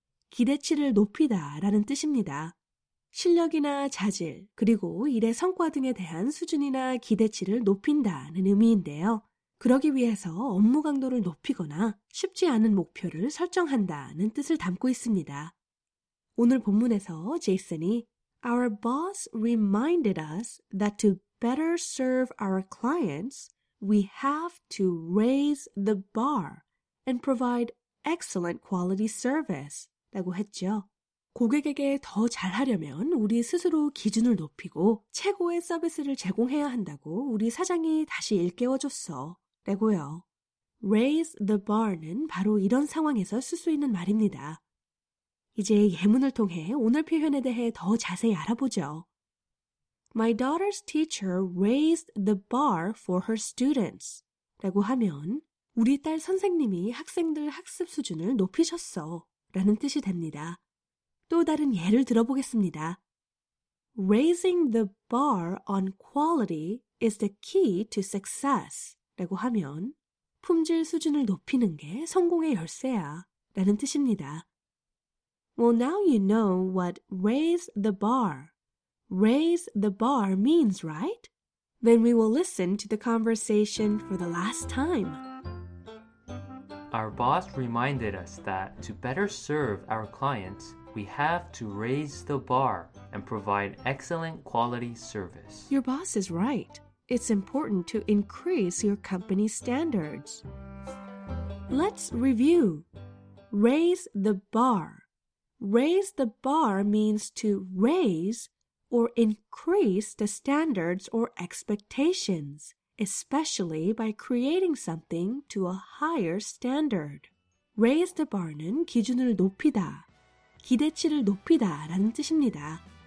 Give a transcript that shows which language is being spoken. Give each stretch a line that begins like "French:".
Korean: 기대치를 높이다 라는 뜻입니다. 실력이나 자질, 그리고 일의 성과 등에 대한 수준이나 기대치를 높인다는 의미인데요. 그러기 위해서 업무 강도를 높이거나 쉽지 않은 목표를 설정한다는 뜻을 담고 있습니다. 오늘 본문에서 제이슨이
English: Our boss reminded us that to better serve our clients, we have to raise the bar and provide excellent quality service
Korean: 라고 했죠. 고객에게 더 잘하려면 우리 스스로 기준을 높이고 최고의 서비스를 제공해야 한다고 우리 사장이 다시 일깨워줬어 라고요.
English: Raise the bar
Korean: 는 바로 이런 상황에서 쓸 수 있는 말입니다. 이제 예문을 통해 오늘 표현에 대해 더 자세히 알아보죠.
English: My daughter's teacher raised the bar for her students
Korean: 라고 하면 우리 딸 선생님이 학생들 학습 수준을 높이셨어 라는 뜻이 됩니다. 또 다른 예를 들어보겠습니다.
English: Raising the bar on quality is the key to success
Korean: 라고 하면 품질 수준을 높이는 게 성공의 열쇠야 라는 뜻입니다.
English: Well, now you know what raise the bar. Raise the bar means, right? Then we will listen to the conversation for the last time. Our boss reminded us that to better serve our clients, we have to raise the bar and provide excellent quality service. Your boss is right. It's important to increase your company's standards. Let's review. Raise the bar. Raise the bar means to raise or increase the standards or expectations, especially by creating something to a higher standard. Raise the bar
Korean: 는 기준을 높이다, 기대치를 높이다라는 뜻입니다.